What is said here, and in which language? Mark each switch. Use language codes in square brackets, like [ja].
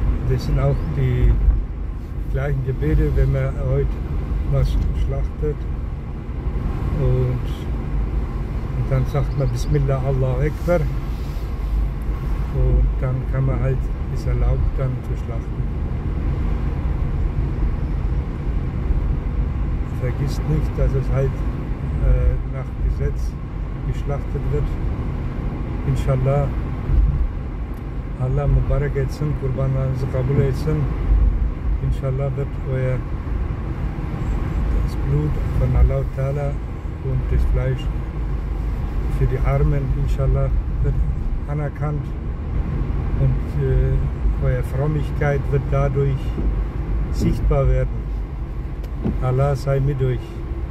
[de] Das sind auch die gleichen Gebete, wenn man heute was schlachtet und dann sagt man [ar] Bismillah Allahu Akbar [de] und dann kann man halt, ist erlaubt dann zu schlachten. Vergisst nicht, dass es halt nach Gesetz geschlachtet wird. [tr] Inshallah, Allah Mubarak etsin, Kurbanlarınızı kabul etsin. [de] Inshallah wird euer das Blut von Allah Ta'ala und das Fleisch für die Armen, inshallah, wird anerkannt und eure Frömmigkeit wird dadurch sichtbar werden. Allah sei mit euch.